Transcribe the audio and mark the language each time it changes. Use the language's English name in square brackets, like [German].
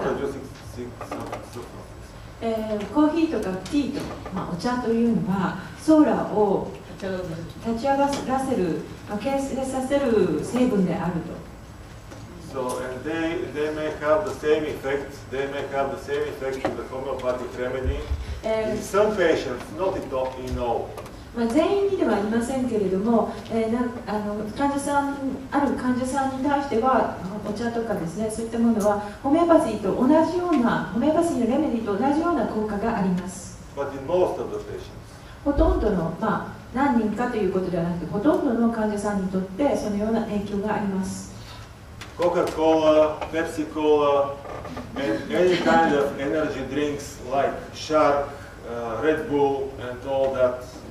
[English] Psoric producing substances. [Japanese] コーヒーとかティーとか、まあ、お茶というのはソーラーを立ち上がらせる、形成させる成分であると。 [English] So, and they may have the same effect. They may have the same effect in the homeopathic remedy. In some patients, not in all. [Japanese] まあ、全員にではありませんけれども、患者さん、ある患者さんに対してはお茶とかですね、そういったものはホメオパシーと同じようなホメオパシーのレメディと同じような効果があります。 [English] But in most of the patients. [Japanese] ほとんどの、まあ、何人かということではなくてほとんどの患者さんにとってそのような影響があります。 [English] コカ・コーラ、ペプシコーラ、any kind of energy drinks like Shark, Red Bull and all that